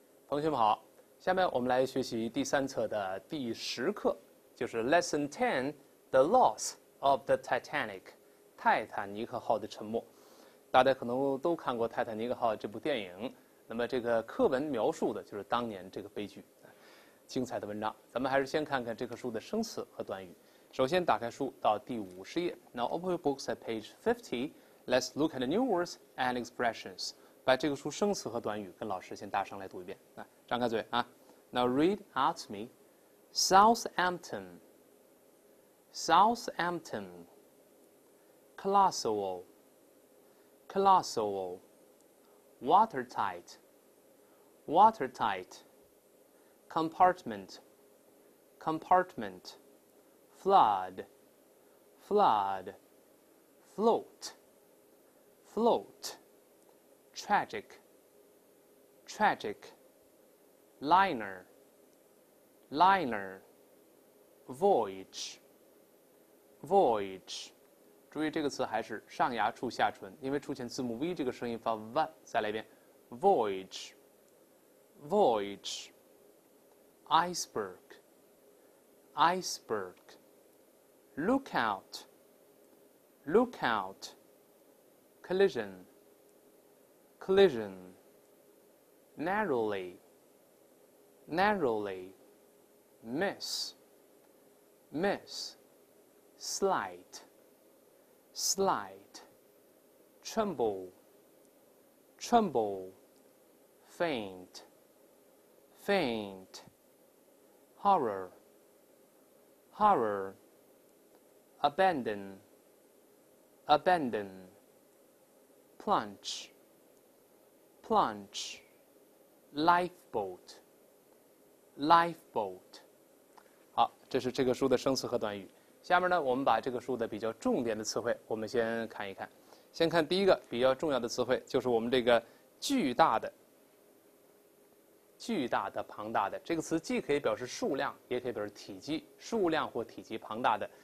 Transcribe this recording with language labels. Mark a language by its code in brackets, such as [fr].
[zh] 同学们好，下面我们来学习第三册的第十课，就是 [en] Lesson 10 The Loss of the Titanic [zh] 泰坦尼克号的沉没。大家可能都看过泰坦尼克号这部电影，那么这个课文描述的就是当年这个悲剧。精彩的文章，咱们还是先看看这课书的生词和短语。首先打开书到第50页， [en] Now open your books at page 50. Let's look at the new words and expressions. [zh] 把这个书生词和短语跟老师先大声来读一遍，来，张开嘴啊。 [en] Now read out me. Southampton. Southampton. Colossal. Colossal. Watertight. Watertight. Compartment. Compartment. Flood. Flood. Float. Float. Tragic, tragic, liner, liner, voyage, voyage. [zh] 注意这个词还是上牙触下唇，因为出现字母 V 这个声音发 V。再来一遍 [en] ，voyage, voyage, iceberg, iceberg, look out, look out, collision. Collision. Narrowly. Narrowly. Miss. Miss. Slight. Slight. Tremble. Tremble. Faint. Faint. Horror. Horror. Abandon. Abandon. Plunge. Plunge, lifeboat, lifeboat. [zh] 好，这是这个书的生词和短语。下面呢，我们把这个书的比较重点的词汇，我们先看一看。先看第一个比较重要的词汇，就是我们这个巨大的、巨大的、庞大的。这个词既可以表示数量，也可以表示体积，数量或体积庞大的。